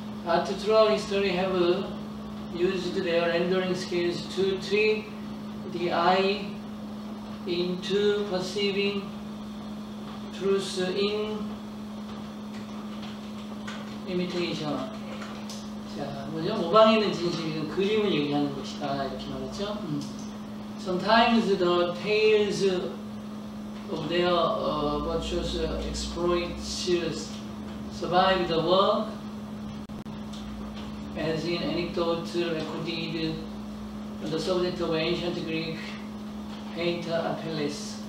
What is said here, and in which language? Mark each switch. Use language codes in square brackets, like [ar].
[en] Artists throughout history have used their rendering skills to trick the eye into perceiving truth in imitation. [ko] 자, 뭐죠? 모방에 있는 진실은 그림을 얘기하는 것이다. 이렇게 말했죠. [en] Sometimes the tales of their virtuous exploits survive the work as in anecdote recorded on the subject of ancient Greek painter Apelles.